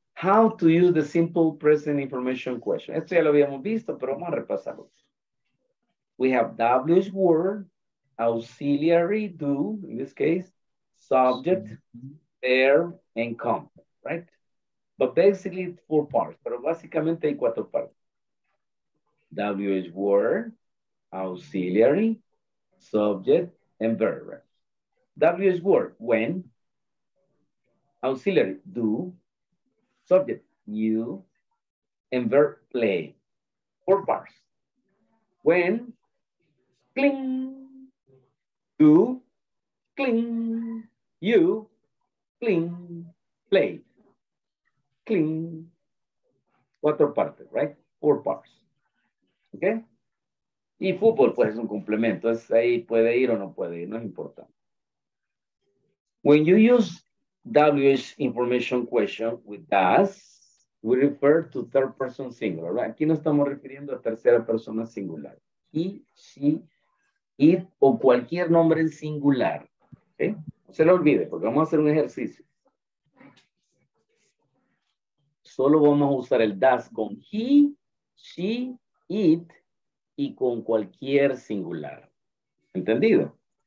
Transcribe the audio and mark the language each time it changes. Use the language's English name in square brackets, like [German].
[English] How to use the simple present information question. [Spanish] Esto ya lo habíamos visto, pero vamos a repasarlo. [English] We have WH word, auxiliary, do, in this case, subject, verb, and complement, right? But basically, it's four parts. [Spanish] Pero básicamente hay cuatro partes. [English] WH word, auxiliary, subject, and verb. WH word, when. Auxiliary, do. Subject, you. And verb, play. Four parts. When. Cling. Do. Cling. You. Cling. Play. Cling. [Spanish] Cuatro partes, [English] right? Four parts. Okay? [Spanish] Y fútbol, pues, es un complemento. Es ahí puede ir o no puede ir. No es importante. [English] When you use WH information question with does, we refer to third person singular, right? [Spanish] Aquí no estamos refiriendo a tercera persona singular. He, she, it, o cualquier nombre en singular. ¿Okay? No se lo olvide, porque vamos a hacer un ejercicio. Solo vamos a usar el does con he, she, it, y con cualquier singular. ¿Entendido?